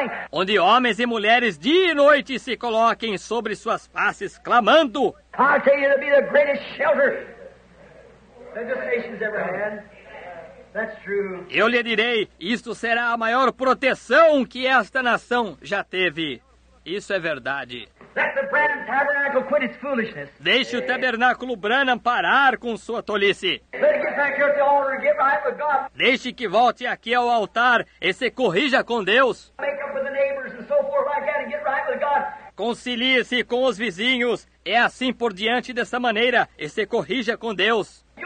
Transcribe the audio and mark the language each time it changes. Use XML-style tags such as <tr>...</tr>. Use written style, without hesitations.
<pt>Onde homens e mulheres dia e noite se coloquem sobre suas faces clamando.</pt> <en>I'll tell you, it'll be the greatest shelter that this nation's ever had. That's true.</en> <pt>Eu lhe direi, isto será a maior proteção que esta nação já teve. Isso é verdade.</pt> <en>Let the Branham Tabernacle quit its foolishness.</en> <pt>Deixe o Tabernáculo Branham parar com sua tolice.</pt> <en>Let it get back here to the altar and get right with God.</en> <pt>Deixe que volte aqui ao altar e se corrija com Deus.</pt> <en>Make up with the neighbors and so forth like that and get right with God.</en> <pt>Concilie-se com os vizinhos. É assim por diante dessa maneira e se corrija com Deus.</pt>